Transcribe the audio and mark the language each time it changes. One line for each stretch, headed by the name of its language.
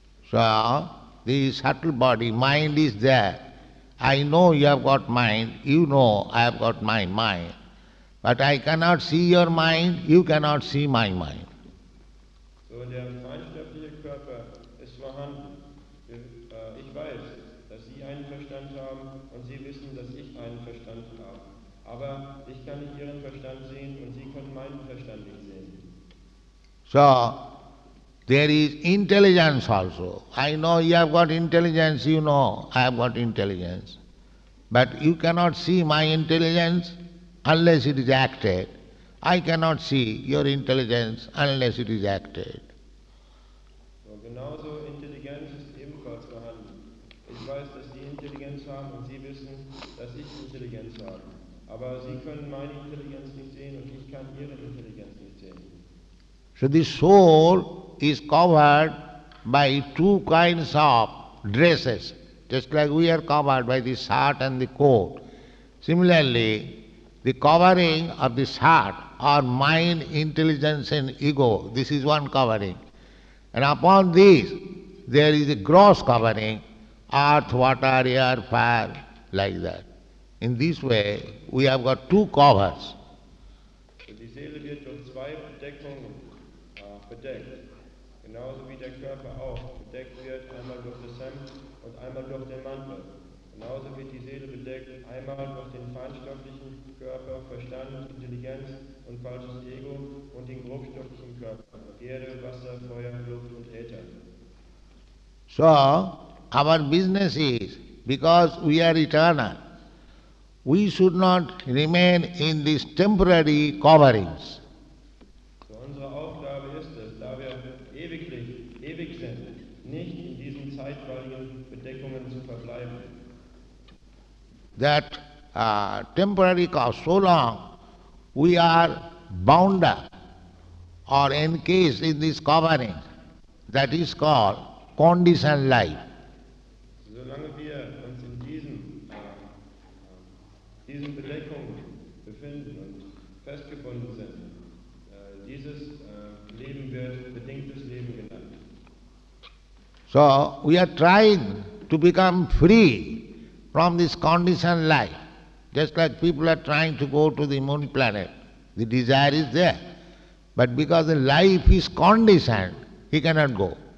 English: So the subtle body, mind is there. I know you have got mind, you know I have got my mind. But I cannot see your mind, you cannot see my mind. So the
German: feinstoffliche Körper ist vorhanden. Ich weiß, dass Sie einen Verstand haben und Sie wissen, dass ich einen Verstand habe. Aber ich kann nicht Ihren Verstand sehen und Sie können meinen Verstand nicht sehen.
English: So there is intelligence also. I know you have got intelligence, you know I have got intelligence. But you cannot see my intelligence unless it is acted. I cannot see your intelligence unless it is acted.
German: So, genauso Intelligenz ist ebenfalls vorhanden. Ich weiß, dass Sie Intelligenz haben und Sie wissen, dass ich Intelligenz habe. Aber Sie können meine Intelligenz nicht sehen und ich kann Ihre Intelligenz nicht sehen.
English: So the soul is covered by two kinds of dresses, just like we are covered by the shirt and the coat. Similarly, the covering of the shirt or mind, intelligence and ego. This is one covering. And upon this, there is a gross covering, earth, water, air, fire, like that. In this way, we have got two covers.
German: Die Seele wird durch zwei Bedeckungen bedeckt. Genauso wie der Körper auch bedeckt wird, einmal durch das Hemd und einmal durch den Mantel. Genauso wird die Seele bedeckt, einmal durch den feinstofflichen Körper, Verstand, Intelligenz und falsches Ego und den grobstofflichen Körper, Erde, Wasser, Feuer, Luft und Äther.
English: So, our business is, because we are eternal, we should not remain in these temporary coverings.
German: So unsere Aufgabe ist es, da wir ewig sind, nicht in diesen zeitweiligen Bedeckungen zu verbleiben.
English: That temporary cause, so long we are bound up or encased in this covering, that is called conditioned life.
German: Solange wir uns in diesen Bedeckungen befinden und festgebunden sind, dieses Leben wird bedingtes Leben genannt.
English: So, we are trying to become free from this conditioned life, just like people are trying to go to the moon planet. The desire is there, but because the life is conditioned, he cannot go.